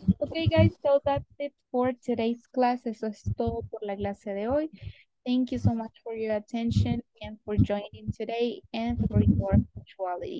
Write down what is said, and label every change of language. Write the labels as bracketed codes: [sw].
[en] Okay, guys, so that's it for today's class. [es] Eso es todo por la clase de hoy. [en] Thank you so much for your attention and for joining today and for your punctuality.